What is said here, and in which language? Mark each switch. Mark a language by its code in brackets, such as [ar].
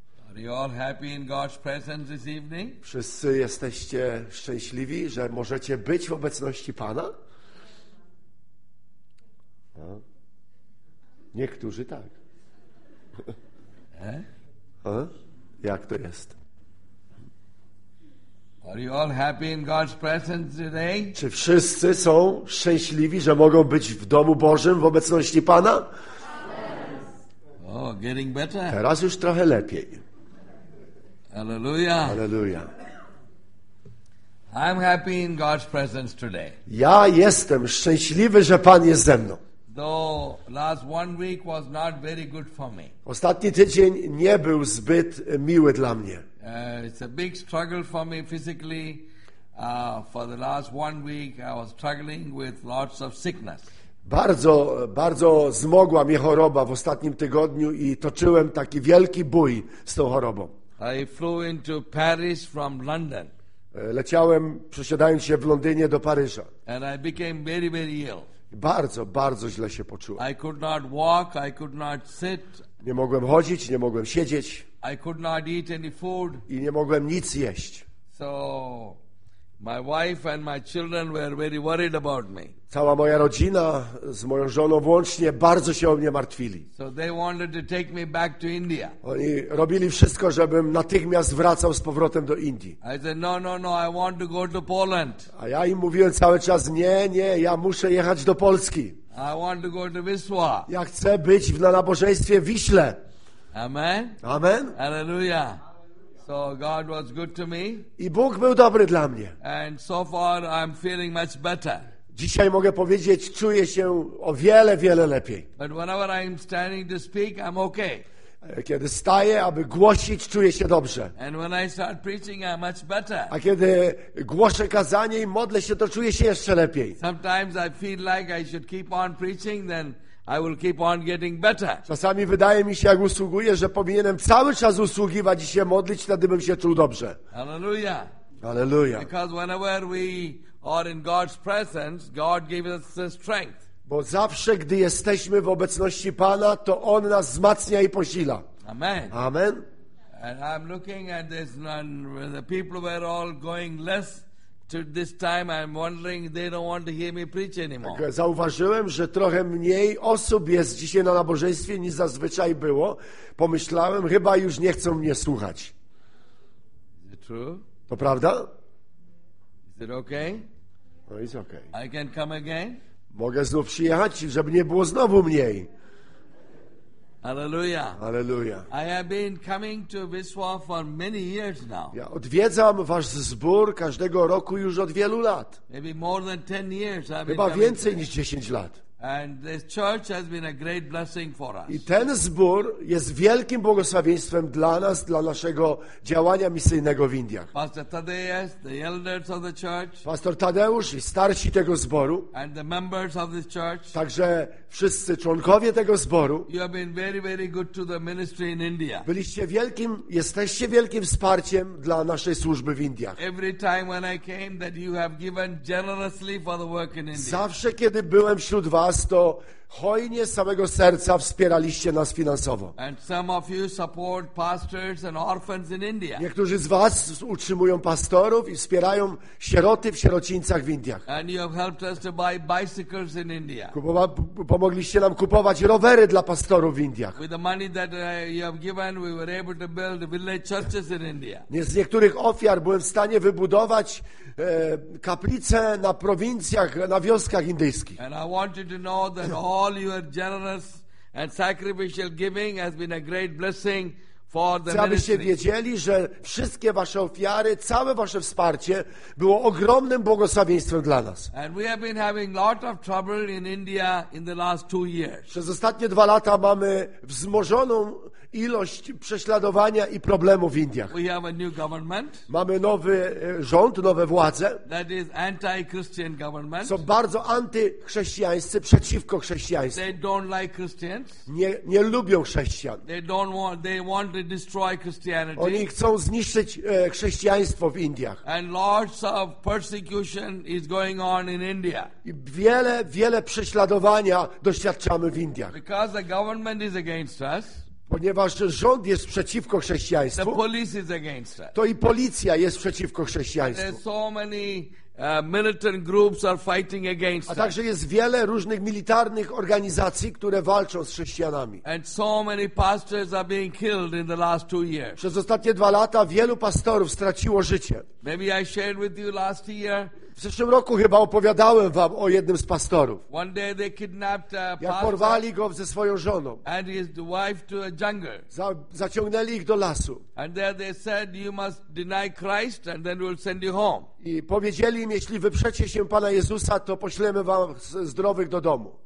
[en] Are you all happy in God's presence this evening? [pl] Wszyscy jesteście szczęśliwi, że możecie być w obecności Pana? No. Niektórzy tak. Eh? Jak to jest? [en] Are you all happy in God's presence today? [pl] Czy wszyscy są szczęśliwi, że mogą być w domu Bożym w obecności Pana? [en] Oh, getting better. [pl] Teraz już trochę lepiej. [en] Hallelujah. [pl] Hallelujah. [en] I'm happy in God's presence today. [pl] Ja jestem szczęśliwy, że Pan jest ze mną. [en] Though last one week was not very good for me. [pl] Ostatni tydzień nie był zbyt miły dla mnie. [en] It's a big struggle for me physically. For the last one week I was struggling with lots of sickness. [pl] Bardzo, bardzo zmogła mnie choroba w ostatnim tygodniu i toczyłem taki wielki bój z tą chorobą. [en] I flew into Paris from London. [pl] Leciałem, przesiadając się w Londynie, do Paryża. [en] And I became very, very ill. [pl] Bardzo, bardzo źle się poczułem. [en] I could not walk, I could not sit. [pl] Nie mogłem chodzić, nie mogłem siedzieć. [en] I could not eat any food. [pl] I nie mogłem nic jeść. [en] So my wife and my children were very worried about me. [pl] Cała moja rodzina, z moją żoną włącznie, bardzo się o mnie martwili. [en] So they wanted to take me back to India. [pl] Oni robili wszystko, żebym natychmiast wracał z powrotem do Indii. [en] I said, no, no, no, I want to go to Poland. [pl] A ja im mówiłem cały czas, nie, nie, ja muszę jechać do Polski. [en] I want to go to Wisła. [pl] Ja chcę być na nabożeństwie w Wiśle. [en] Amen. [pl] Amen. [en] Hallelujah. So God was good to me. [pl] I Bóg był dobry dla mnie. [en] And so far I'm feeling much better. [pl] Dzisiaj mogę powiedzieć, czuję się o wiele, wiele lepiej. [en] But whenever I'm standing to speak, I'm okay. [pl] Kiedy staję, aby głosić, czuję się dobrze. [en] And when I start preaching, I'm much better. [pl] A kiedy głoszę kazanie i modlę się, to czuję się jeszcze lepiej. [en] Sometimes I feel like I should keep on preaching, then I will keep on getting better. [pl] Czasami wydaje mi się, jak usługuję, że powinienem cały czas usługiwać i się modlić, wtedy bym się czuł dobrze. [en] Hallelujah. [pl] Hallelujah. [en] Because whenever we are in God's presence, God gives us the strength. [pl] Bo zawsze, gdy jesteśmy w obecności Pana, to On nas wzmacnia i posila. [en] Amen. [pl] Amen. [en] And I'm looking at this, and the people were all going less. This time I'm wondering they don't want to hear me preach anymore. [pl] Zauważyłem, że trochę mniej osób jest dzisiaj na nabożeństwie niż zazwyczaj było. Pomyślałem, chyba już nie chcą mnie słuchać. [en] Is it true? [pl] To prawda? [en] Is it okay? No, it's okay. I can come again? [pl] Mogę znów przyjechać, żeby nie było znowu mniej. [en] Hallelujah. [pl] Hallelujah. [en] I have been coming to Wisła for many years now. [pl] Ja odwiedzam wasz zbór każdego roku już od wielu lat. [en] Maybe more than 10 years. [pl] Chyba więcej niż 10 lat. [en] And this church has been a great blessing for us. [pl] I ten zbór jest wielkim błogosławieństwem dla nas, dla naszego działania misyjnego w Indiach. [en] Pastor Tadeusz, the elders of the church. [pl] Pastor Tadeusz i starsi tego zboru. [en] And the members of this church. [pl] Także wszyscy członkowie tego zboru. [en] You have been very, very good to the ministry in India. [pl] Byliście wielkim, jesteście wielkim wsparciem dla naszej służby w Indiach. [en] Every time when I came, that you have given generously for the work in India. [pl] Zawsze kiedy byłem wśród was, to Hojnie z całego serca wspieraliście nas finansowo. [en] And some of you support pastors and orphans in India. [pl] Niektórzy z was utrzymują pastorów i wspierają sieroty w sierocińcach w Indiach. [en] And you have helped us to buy bicycles in India. [pl] Pomogliście nam kupować rowery dla pastorów w Indiach. [en] With the money that you have given, we were able to build village churches in India. [pl] Z niektórych ofiar byłem w stanie wybudować kaplice na prowincjach, na wioskach indyjskich. [en] And I want you to know that all your generous and sacrificial giving has been a great blessing for the ministry. [pl] Abyście wiedzieli, że wszystkie wasze ofiary, całe wasze wsparcie było ogromnym błogosławieństwem dla nas. [en] And we have been having a lot of trouble in India in the last 2 years. [pl] Przez ostatnie dwa lata mamy wzmożoną ilość prześladowania i problemów w Indiach. [en] We have a new government. [pl] Mamy nowy rząd, nowe władze. [en] That is anti-Christian government. [pl] Są bardzo antychrześcijańscy, przeciwko chrześcijaństwu. [en] They don't like Christians. [pl] Nie lubią chrześcijan. [en] They want to destroy Christianity. [pl] Oni chcą zniszczyć chrześcijaństwo w Indiach. [en] And lots of persecution is going on in India. [pl] I wiele, wiele prześladowania doświadczamy w Indiach. [en] Because the government is against us. [pl] Ponieważ rząd jest przeciwko chrześcijaństwu, [en] the police is against us. [pl] To i policja jest przeciwko chrześcijaństwu. [en] There's so many militant groups are fighting against us. [pl] A także jest wiele różnych militarnych organizacji, które walczą z chrześcijanami. [en] And so many pastors are being killed in the last 2 years. [pl] Przez ostatnie dwa lata wielu pastorów straciło życie. [en] Maybe I shared with you last year. [pl] W zeszłym roku chyba opowiadałem wam o jednym z pastorów. [en] One day they kidnapped a pastor. [pl] Jak porwali go ze swoją żoną. [en] And his wife to a jungle. [pl] Zaciągnęli ich do lasu. [en] And there they said you must deny Christ and then we'll send you home. [pl] I powiedzieli im, jeśli wyprzecie się Pana Jezusa, to poślemy wam zdrowych do domu.